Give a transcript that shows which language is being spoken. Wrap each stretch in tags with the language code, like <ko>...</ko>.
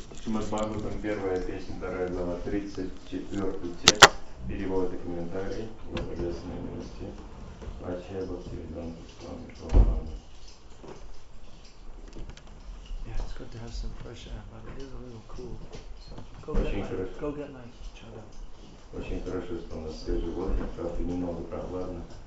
<ru>Шримад-Бхагаватам, первая песня, вторая глава, 34 текст, перевод и комментарий, благодарственные милости, Ачая Бхактивиданта Свами Прабхупада.</ru> <en>Yeah, it's good to have some fresh air, but it is a little cool. Go get my chada.</en> <ru>Очень хорошо, что у нас свежий воздух, правда, немного прохладно.</ru>